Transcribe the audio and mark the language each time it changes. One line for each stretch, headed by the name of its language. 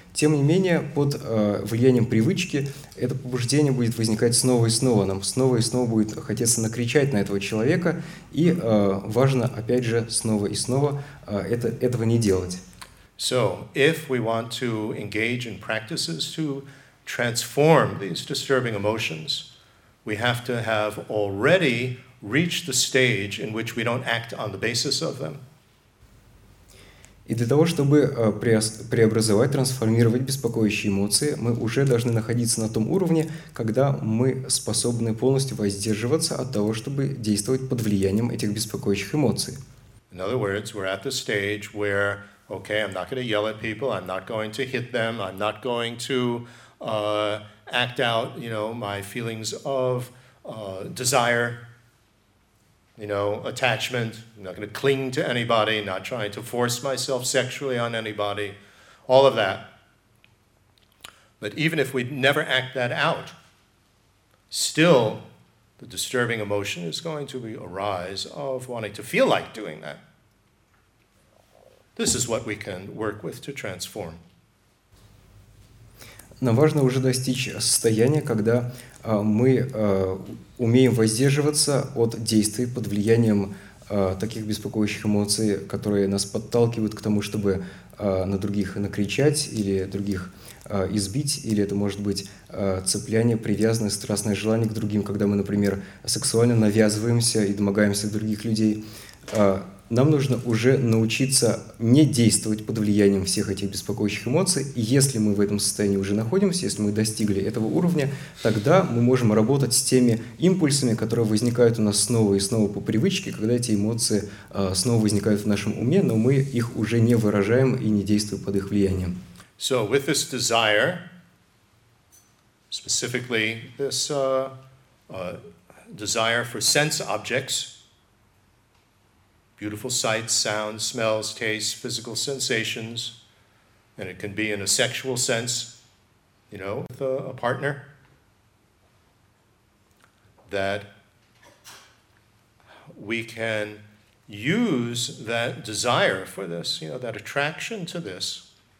Russian: Тем не менее, под влиянием привычки это побуждение будет возникать снова и снова. Нам снова и снова будет хотеться накричать на этого человека, и важно, опять же, снова и снова этого не делать.
English: So, if we want to engage in practices to transform these disturbing emotions, we have to have already reached the stage in which we don't act on the basis of them.
Russian: И для того, чтобы преобразовать, трансформировать беспокоящие эмоции, мы уже должны находиться на том уровне, когда мы способны полностью воздерживаться от того, чтобы действовать под влиянием этих беспокоящих эмоций.
English: In other words, we're at the stage where, okay, I'm not going to yell at people, I'm not going to hit them, I'm not going to act out, you know, my feelings of desire. You know, attachment, I'm not going to cling to anybody, not trying to force myself sexually on anybody, all of that. But even if we never act that out, still the disturbing emotion is going to arise of wanting to feel like doing that. This is what we can work with to transform.
Russian: Нам важно уже достичь состояния, когда мы умеем воздерживаться от действий под влиянием таких беспокоящих эмоций, которые нас подталкивают к тому, чтобы на других накричать или других избить, или это может быть цепляние, привязанное, страстное желание к другим, когда мы, например, сексуально навязываемся и домогаемся других людей. нам нужно уже научиться не действовать под влиянием всех этих беспокоящих эмоций. И если мы в этом состоянии уже находимся, если мы достигли этого уровня, тогда мы можем работать с теми импульсами, которые возникают у нас снова и снова по привычке, когда эти эмоции снова возникают в нашем уме, но мы их уже не выражаем и не действуем под их влиянием.
English: So with this desire, specifically this desire for sense objects, beautiful sights, sounds, smells, tastes, physical sensations, and it can be in a sexual sense, you know, with a partner, that we can use that desire for this, you know, that attraction to this.